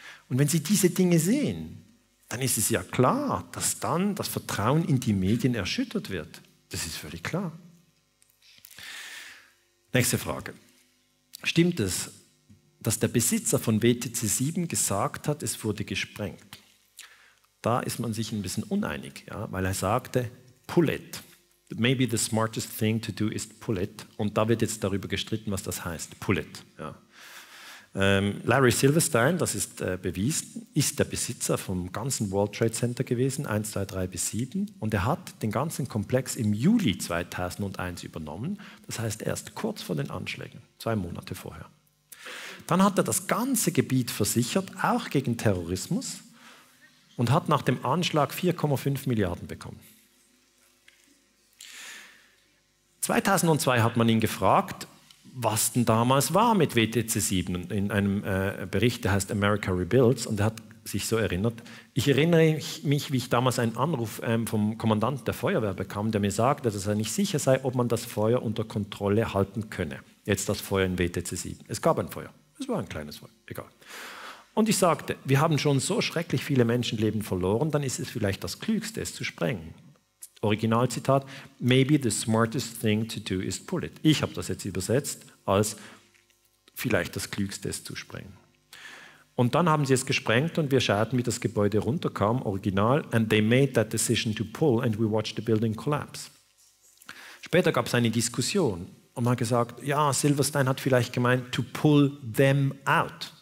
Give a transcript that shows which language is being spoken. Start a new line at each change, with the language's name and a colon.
German: Und wenn Sie diese Dinge sehen, dann ist es ja klar, dass dann das Vertrauen in die Medien erschüttert wird. Das ist völlig klar. Nächste Frage. Stimmt es, dass der Besitzer von WTC 7 gesagt hat, es wurde gesprengt? Da ist man sich ein bisschen uneinig, ja, weil er sagte,
English: pull it. Maybe the smartest thing to do is pull it.
German: Und da wird jetzt darüber gestritten, was das heißt,
English: pull it.
German: Ja. Larry Silverstein, das ist bewiesen, ist der Besitzer vom ganzen World Trade Center gewesen, 1, 2, 3 bis 7. Und er hat den ganzen Komplex im Juli 2001 übernommen. Das heißt, erst kurz vor den Anschlägen, 2 Monate vorher. Dann hat er das ganze Gebiet versichert, auch gegen Terrorismus, und hat nach dem Anschlag 4,5 Milliarden bekommen. 2002 hat man ihn gefragt, was denn damals war mit WTC 7 in einem Bericht, der heißt America Rebuilds, und er hat sich so erinnert. Ich erinnere mich, wie ich damals einen Anruf vom Kommandant der Feuerwehr bekam, der mir sagte, dass er nicht sicher sei, ob man das Feuer unter Kontrolle halten könne. Jetzt das Feuer in WTC 7. Es gab ein Feuer. Es war ein kleines Feuer. Egal. Und ich sagte, wir haben schon so schrecklich viele Menschenleben verloren, dann ist es vielleicht das Klügste, es zu sprengen. Originalzitat,
English: maybe the smartest thing to do is pull it.
German: Ich habe das jetzt übersetzt als vielleicht das Klügste, es zu sprengen. Und dann haben sie es gesprengt und wir schauten, wie das Gebäude runterkam, original,
English: and they made that decision to pull and we watched the building collapse.
German: Später gab es eine Diskussion und man hat gesagt, ja, Silverstein hat vielleicht gemeint,
English: to pull them out.